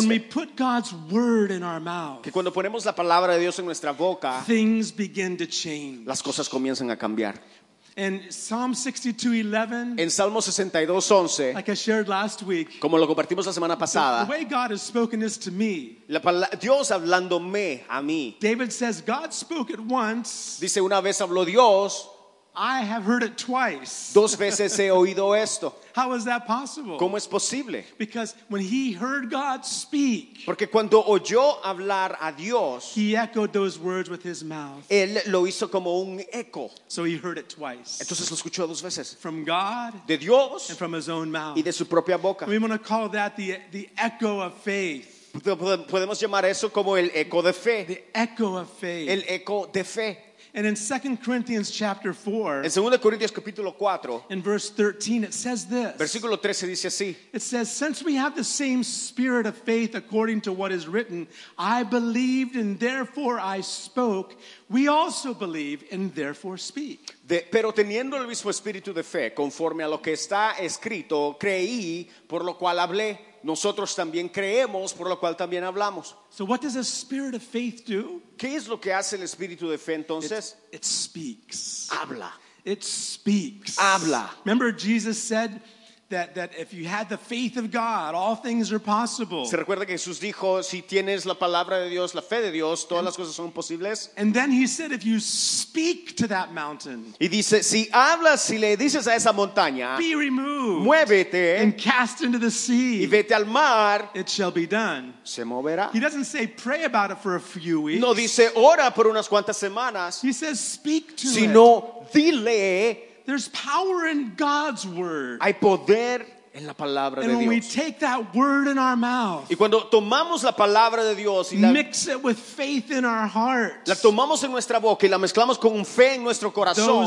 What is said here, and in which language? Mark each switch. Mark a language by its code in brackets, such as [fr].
[en] When we put God's word in our mouth, [es] que cuando ponemos la palabra de Dios en nuestra boca, [en] things begin to change. [es] Las cosas comienzan a cambiar. [en] In Psalm 62:11, [es] en Salmo 62:11, [en] like I shared last week, [es] como lo compartimos la semana pasada, [en] the way God has spoken this to me, [es] Dios hablándome a mí. [en] David says God spoke it once. [es] Dice una vez habló Dios. [en] I have heard it twice. [es] Dos veces he oído esto. [en] How is that possible? [es] ¿Cómo es posible? [en] Because when he heard God speak, [es] porque cuando oyó hablar a Dios, [en] he echoed those words with his mouth. [es] Él lo hizo como un eco. [en] So he heard it twice. [es] Entonces lo escuchó dos veces. [en] From God, [es] de Dios, [en] and from his own mouth, [es] y de su propia boca. [en] We want to call that the echo of faith. [es] Podemos llamar eso como el eco de fe. [en] The echo of faith. [es] El eco de fe. [en] And in 2 Corinthians chapter 4, [es] en 2 Corintios capítulo 4, [en] in verse 13, it says this. [es] Versículo 13 dice así. [en] It says, since we have the same spirit of faith according to what is written, I believed and therefore I spoke, we also believe and therefore speak. [es] Pero teniendo el mismo espíritu de fe, conforme a lo que está escrito, creí, por lo cual hablé. Nosotros también creemos, por lo cual también hablamos. [en] So what does a spirit of faith do? [es] ¿Qué es lo que hace el espíritu de fe entonces? [en] It speaks. [es] Habla. [en] It speaks. [es] Habla. [en] Remember Jesus said that if you had the faith of God, all things are possible. [es] ¿Se recuerda que Jesús dijo, si tienes la palabra de Dios, la fe de Dios, todas las cosas son posibles? [en] And then he said, if you speak to that mountain. [es] Y dice, si hablas, si le dices a esa montaña, [en] be removed, [es] muévete, [en] and cast into the sea, [es] y vete al mar, [en] it shall be done. [es] Se moverá. [en] He doesn't say pray about it for a few weeks. [es] No dice ora por unas cuantas semanas. [en] He says speak to [es] sino, [en] it. [es] Sino dile. [en] There's power in God's word. [es] Hay poder en la palabra [en] and [es] de Dios. [en] And when we take that word in our mouth. [es] Y cuando tomamos la palabra de Dios y la [en] mix it with faith in our heart. [es] La tomamos en nuestra boca y la mezclamos con fe en nuestro corazón.